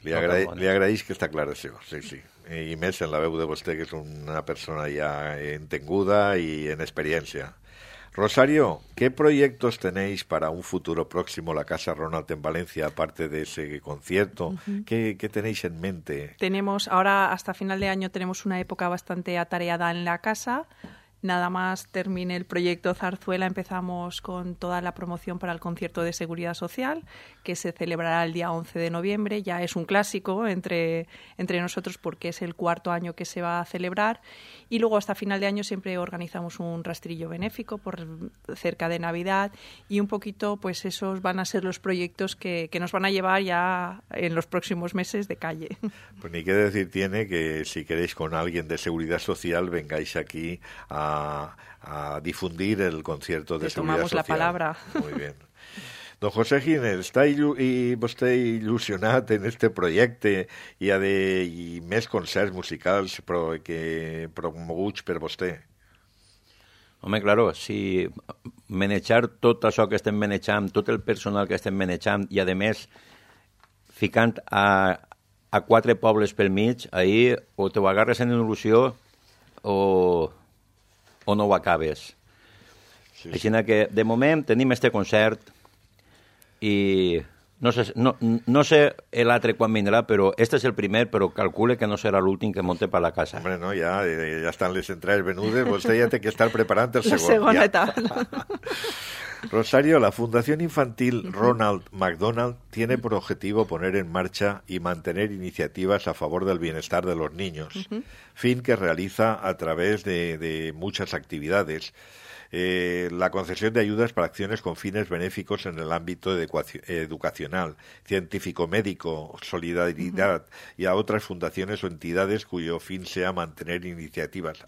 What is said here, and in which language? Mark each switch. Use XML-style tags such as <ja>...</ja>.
<ca>Li agraeix que està clara, això. Sí. I més en la veu de vostè, que és una persona ja entenguda i en experiència. Rosario, què projectes teneix per a un futur pròxim a la Casa Ronald en València, a part de</ca> <es>ese concierto? Uh-huh. ¿Qué tenéis en mente? Tenemos, ahora, hasta final de año, tenemos una época bastante atareada en la casa... Nada más termine el proyecto Zarzuela, empezamos con toda la promoción para el concierto de Seguridad Social, que se celebrará el día 11 de noviembre. Ya es un clásico entre nosotros porque es el cuarto año que se va a celebrar. Y luego hasta final de año siempre organizamos un rastrillo benéfico por cerca de Navidad. Y un poquito, pues esos van a ser los proyectos que nos van a llevar ya en los próximos meses de calle. Pues ni qué decir tiene que si queréis con alguien de Seguridad Social vengáis aquí a difundir el concierto de Seguridad Social. Tomamos la palabra. Muy bien. Don José Giner, ¿está ilusionado en este proyecto y a de y mes concerts musicales que promueve per usted?</es> <ca>Home, claro, si manejar tot això que estem manejant, tot el personal que estem manejant i, a més, ficant a quatre pobles pel mig, ahí o te ho agarres en il·lusió o no ho acabes. Sí, sí. Així que, de moment, tenim este concert i no sé l'altre quan vindrà, però este és el primer, però calcule que no serà l'últim que monte per la casa. Hombre, no, ja estan les entrades venudes, vostè ja té que estar preparant el segon. La segona etapa.</ca> <es>Rosario, la Fundación Infantil Ronald McDonald tiene por objetivo poner en marcha y mantener iniciativas a favor del bienestar de los niños, fin que realiza a través de muchas actividades. La concesión de ayudas para acciones con fines benéficos en el ámbito educacional, científico-médico, solidaridad y a otras fundaciones o entidades cuyo fin sea mantener iniciativas.</es>